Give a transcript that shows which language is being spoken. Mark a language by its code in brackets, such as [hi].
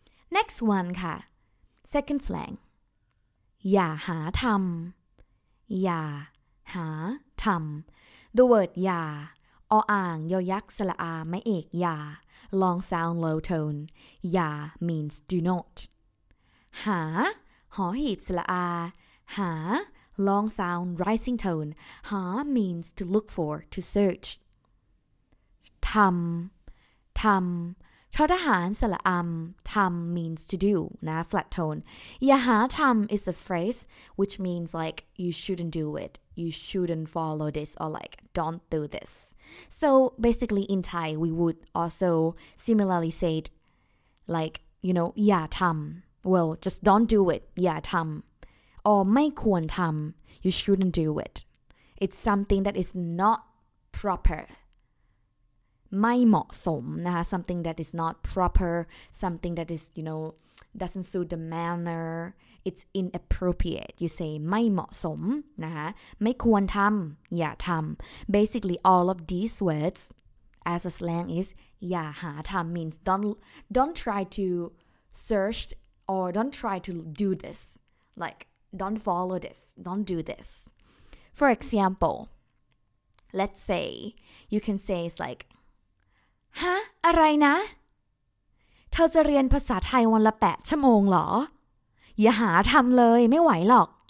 [en] Next one ค่ะ second slang [th] อย่าหาทำอย่าหาทำ [en] the word [th] อย่าออ่างยอยักษ์สระอาแม่เอกอย่า [en] long sound low tone อย่า means do not [th] หาหอหีบสระอาหา [en] long sound rising tone หา means to look for to search [th] ทำทำ ทอทหารสละอำทำ [en] means to do นะ flat tone [th] อย่าหาทำ [en] is a phrase which means like you shouldn't do it you shouldn't follow this or like don't do this so basically in Thai we would also similarly say it like you know [th] อย่าทำ [en] well just don't do it อย่าทำ or [th] ไม่ควรทำ [en] you shouldn't do it it's something that is not proper [th] ไม่เหมาะสมนะคะ [en] something that is not proper something that is you know doesn't suit the manner it's inappropriate you say [th] ไม่เหมาะสมนะคะไม่ควรทำอย่าทำ [en] basically all of these words as a slang is [th] อย่าหาทำ [en] means don't try to search or don't try to do this like don't follow this don't do this for example let's say you can say it's like [th] ฮะอะไรนะเธอจะเรียนภาษาไทยวันละ8ชั่วโมงเหรออย่าหาทำเลยไม่ไหวหรอก